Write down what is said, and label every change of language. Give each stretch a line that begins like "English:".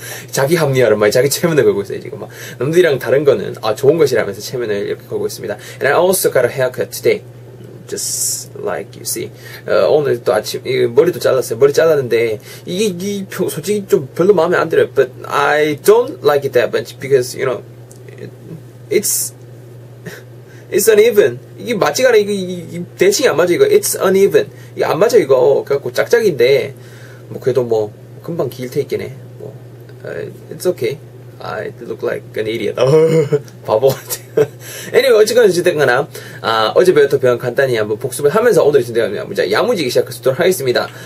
Korean: 자기 합리화를 말, 자기 체면을 걸고 있어요, 지금. 막. 남들이랑 다른 거는 좋은 것이라면서 체면을 이렇게 걸고 있습니다.
English: And I also got a haircut today. Just like you see.
Korean: 오늘 또 아침, 머리도 잘랐어요. 머리 잘랐는데, 이게 솔직히 좀 별로 마음에 안 들어요.
English: But I don't like it that much because, you know, it's uneven.
Korean: 이게 맞지가 않아. 이게 대칭이 안 맞아, 이거.
English: It's uneven.
Korean: 이게 안 맞아, 이거. 그래갖고 짝짝인데, 뭐, 그래도 뭐, 금방 길 테이크네.
English: 뭐, it's okay. I look like an idiot.
Korean: 바보 같아. anyway, 어쨌든 어제 배웠던 표현 간단히 한번 복습을 하면서 오늘 준비하면 야무지게 시작하도록 하겠습니다.